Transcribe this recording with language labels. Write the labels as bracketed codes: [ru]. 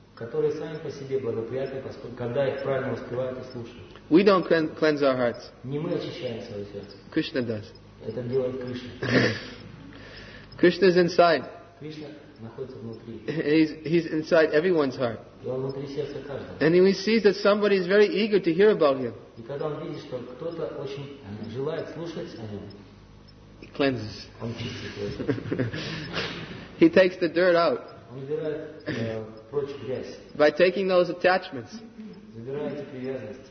[ru] Которые сами по себе благоприятны, когда их правильно воспевают и слушают. [en] We don't cleanse our hearts. [ru] Не мы очищаем свое сердце. [en] Krishna does. [ru] Это делает Кришна. [en] Krishna is inside. [ru] Кришна находится внутри. [en] He's inside everyone's heart. [ru] И он внутри сердца каждого. [en] And he sees that somebody is very eager to hear about him. [ru] И когда он видит, что кто-то очень желает слушать о нем, [en] he cleanses. [ru] Он чистит. [en] He takes the dirt out. [ru] Он убирает прочь грязь. [en] By taking those attachments, [ru] забирает эти привязанности.